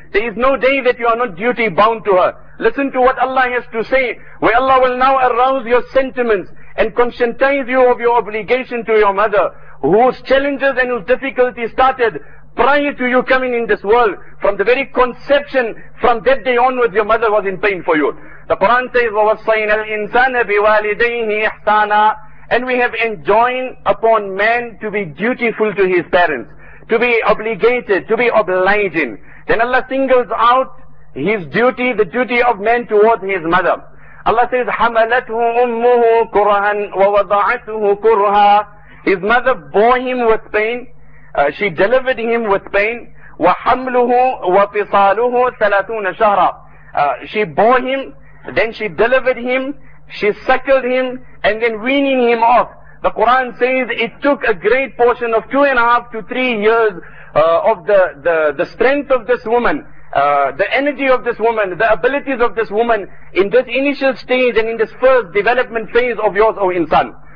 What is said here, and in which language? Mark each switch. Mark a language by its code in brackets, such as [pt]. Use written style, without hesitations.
[en] There is no day that you are not duty bound to her. Listen to what Allah has to say, where Allah will now arouse your sentiments and conscientize you of your obligation to your mother, whose challenges and whose difficulties started prior to you coming in this world. From the very conception, from that day onwards, your mother was in pain for you. The Quran says, [ar] وَوَصَّيْنَا الْإِنسَانَ بِوَالِدَيْهِ إِحْسَانًا. [en] And we have enjoined upon man to be dutiful to his parents, to be obligated, to be obliging. Then Allah singles out his duty, the duty of man towards his mother. Allah says, [ar] حَمَلَتْهُ أُمُّهُ كُرْهًا وَوَضَعَتْهُ كُرْهًا. [en] His mother bore him with pain, she delivered him with pain. [ar] وَحَمْلُهُ وَفِصَالُهُ 30 شَهْرًا. [en] She bore him, then she delivered him, she suckled him, and then weaning him off. The Quran says it took a great portion of 2.5 to 3 years of the strength of this woman, the energy of this woman, the abilities of this woman in this initial stage and in this first development phase of yours, O insan.